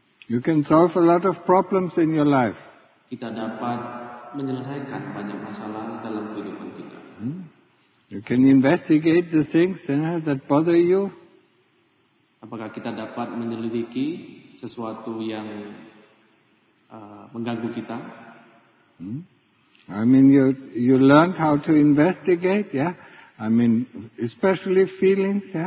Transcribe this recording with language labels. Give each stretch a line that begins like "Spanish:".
English: you can solve a lot of problems in your life.
Indonesian: Kita dapat menyelesaikan banyak masalah dalam kehidupan kita.
English: You can investigate the things that bother you.
Indonesian: Apakah kita dapat menyelidiki sesuatu yang mengganggu kita?
English: You learned how to investigate, especially feelings,